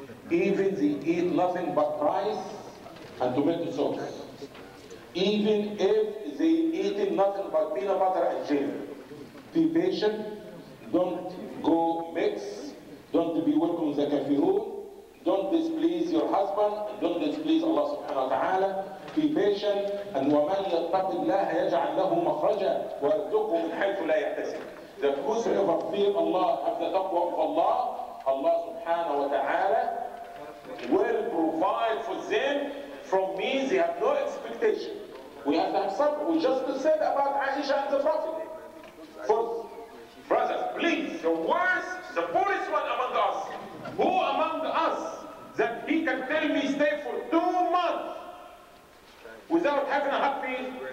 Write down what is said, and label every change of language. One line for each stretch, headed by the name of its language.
English: Even they eat nothing but rice and tomato sauce. Even if they eat nothing but peanut butter and jam, be patient, don't go mix, don't be working with the kafirun. Don't displease your husband, don't displease Allah subhanahu wa ta'ala. Be patient, and
Arabic: وَمَنْ يَتَّقِ اللَّهَ يَجْعَلْ لَهُ مَخْرَجًا وَيَرْزُقْهُ مِنْ حَيْثُ لَا يَحْتَسِبُ.
English: That whosoever fear Allah, have the taqwa of Allah, Allah subhanahu wa ta'ala will provide for them from means they have no expectation. We have to have sabr. We just said about Aisha and the Prophet. For brothers, please, the worst, the poorest one among us, who among us that he can tell me stay for 2 months without having a happy?